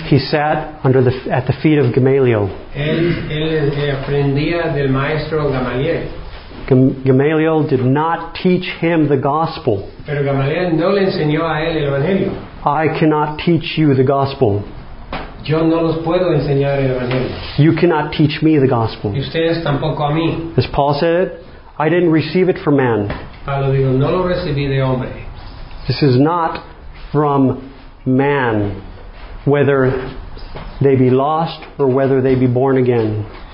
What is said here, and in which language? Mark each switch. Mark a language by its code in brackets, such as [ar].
[en] he sat under the at the feet of Gamaliel. [es] Él aprendía del maestro Gamaliel. [en] Gamaliel did not teach him the gospel. [es] Pero Gamaliel no le enseñó a él el evangelio. [en] I cannot teach you the gospel. [es] Yo no los puedo enseñar el evangelio. [en] You cannot teach me the gospel. [es] Y ustedes tampoco a mí. [en] As Paul said, I didn't receive it from man. [es] Pablo dijo, no lo recibí de hombre. [en] This is not from man, whether they be lost or whether they be born again.